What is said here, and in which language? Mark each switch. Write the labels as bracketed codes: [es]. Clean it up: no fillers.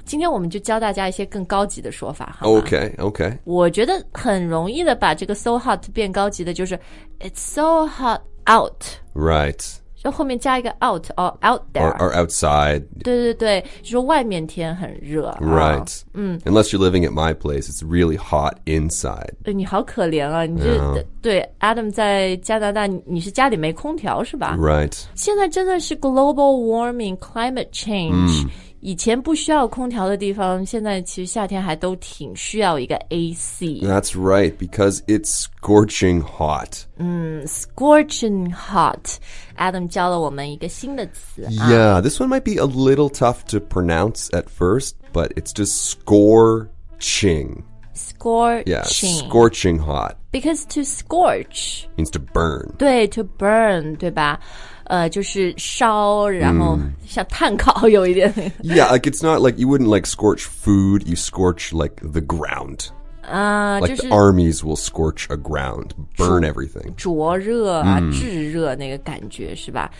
[zh] 今天我们就教大家一些更高级的说法，好 [en] 吗？OK, OK. [zh] 我觉得很容易的把这个 [en] so hot [zh] 变高级的就是 [en] it's so hot out. Right. [zh] 就后面加一个 [en] out or out there or outside. [zh] 对对对，就说外面天很热。 [en] Right. Unless you're living at my place, it's really hot inside. [zh] 你好可怜啊，你这、对 Adam 在加拿大，你是家里没空调是吧？ [en] Right. [zh] 现在真的是 [en] global warming, climate change. [zh] 以前不需要空调的地方，现在其实夏天还都挺需要一个 AC. [en] That's right, because it's scorching hot. Scorching hot. [zh] Adam 教了我们一个新的词。 [en] Yeah, this one might be a little tough to pronounce at first, but it's just scorching. Scorching. Yeah, scorching hot. Because to scorch means to burn. [zh] 对 [en] to burn, [zh] 对吧？就是烧，然后像炭烤有一点。 [en] Yeah, like it's not like you wouldn't like scorch food, you scorch like the ground. Like、 [zh] 就是、 [en] the armies will scorch a ground, burn everything. [zh] 灼热啊，炙热那个感觉是吧？